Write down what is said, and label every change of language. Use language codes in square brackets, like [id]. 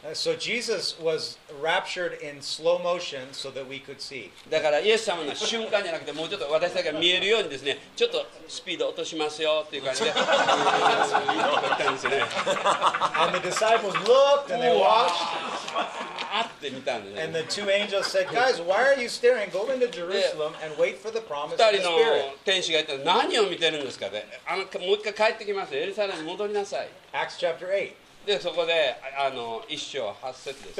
[en] So Jesus was raptured in slow motion so that we could see. [ja] だからイエス様の瞬間じゃなくてもうちょっと私たちが見えるようにですね、ちょっとスピード落としますよっていう感じで。 [en] And the disciples looked and they watched. [ja] あって見たんですね。 [en] And the two angels said, "Guys, why are you staring? Go into Jerusalem and wait for the promise of the Spirit." [ja] 二人の天使が言ったら何を見てるんですかね。あのもう一回帰ってきますよ。エルサレムに戻りなさい。 [en] Acts chapter 8. [ja] でそこで一章八節です。